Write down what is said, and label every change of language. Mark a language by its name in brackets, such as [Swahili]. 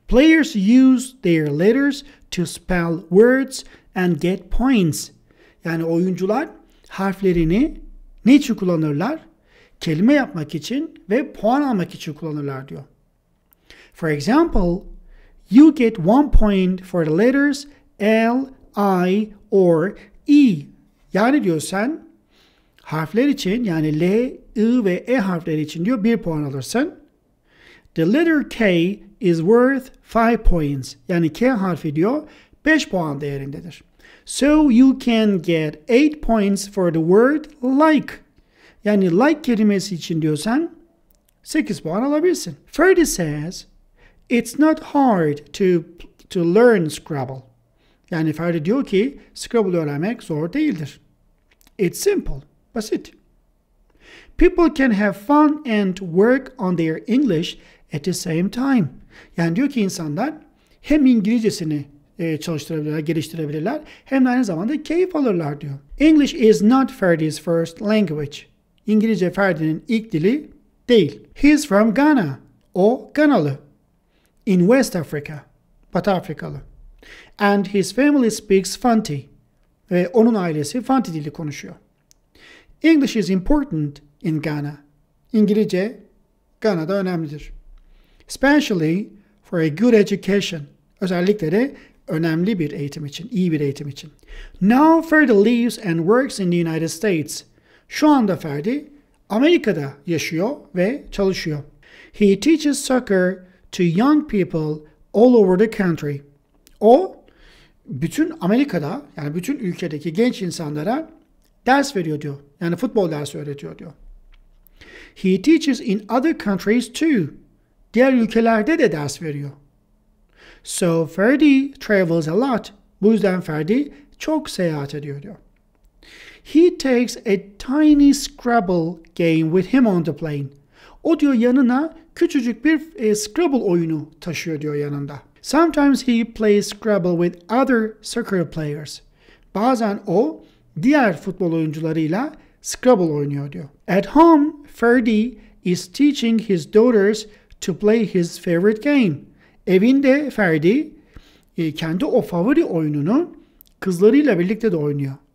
[English] Players use their letters to spell words and get points. [Turkish] Yani oyuncular harflerini ne için kullanırlar? Kelime yapmak için ve puan almak için kullanırlar diyor. [English] For example, you get 1 point for the letters L, I, or E. [Turkish] Yani diyor sen harfler için, yani L, I ve E harfleri için diyor bir puan alırsın. [English] The letter K is worth 5 points. [Turkish] Yani K harfi diyor 5 puan değerindedir. [English] So you can get 8 points for the word like. [Turkish] Yani like kelimesi için diyorsan 8 puan alabilirsin. [English] Ferdi says, it's not hard to learn Scrabble. [Turkish] Yani Ferdi diyor ki Scrabble öğrenmek zor değildir. [English] It's simple, [Turkish] basit. [English] People can have fun and work on their English at the same time. [Turkish] Yani diyor ki insanlar hem İngilizcesini çalıştırabilirler, geliştirebilirler, hem de aynı zamanda keyif alırlar diyor. [English] English is not Ferdi's first language. [Turkish] İngilizce Ferdi'nin ilk dili değil. [English] He's from Ghana. [Turkish] O Ghanalı. [English] In West Africa. [Turkish] Batı Afrikalı. [English] And his family speaks Fanti. [Turkish] Ve onun ailesi Fanti dili konuşuyor. [English] English is important in Ghana. [Turkish] İngilizce Ghana'da önemlidir. [English] Especially for a good education. [Turkish] Özellikle de önemli bir eğitim için, iyi bir eğitim için. [English] Now Ferdi lives and works in the United States. [Turkish] Şu anda Ferdi Amerika'da yaşıyor ve çalışıyor. [English] He teaches soccer to young people all over the country. [Turkish] O bütün Amerika'da, yani bütün ülkedeki genç insanlara ders veriyor diyor. Yani futbol dersi öğretiyor diyor. [English] He teaches in other countries too. [Turkish] Diğer ülkelerde de ders veriyor. [English] So Ferdi travels a lot. [Turkish] Bu yüzden Ferdi çok seyahat ediyor diyor. [English] He takes a tiny Scrabble game with him on the plane. [Turkish] O diyor yanına küçücük bir Scrabble oyunu taşıyor diyor yanında. [English] Sometimes he plays Scrabble with other soccer players. [Turkish] Bazen o diğer futbol oyuncularıyla Scrabble oynuyor diyor. [English] At home, Ferdi is teaching his daughters to play his favorite game. [Turkish] Evinde Ferdi kendi o favori oyununu kızlarıyla birlikte de oynuyor.